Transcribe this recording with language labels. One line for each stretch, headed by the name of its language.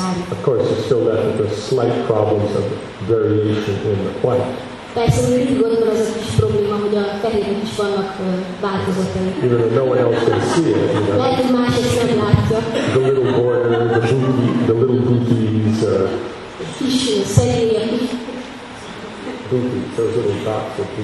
English: Of course, it's still left with the slight problems of variation in the white.
Hungarian: Persze, hogy mindig gondolom, az a kis probléma, hogy a fehérnek is vannak változatai.
English: Even though no one else can see it, you know.
Hungarian: Lehet, hogy más ezt nem látja.
English: The little border, the little booties.
Hungarian: Kis szegélyek. Booties.
English: Those are the little dots.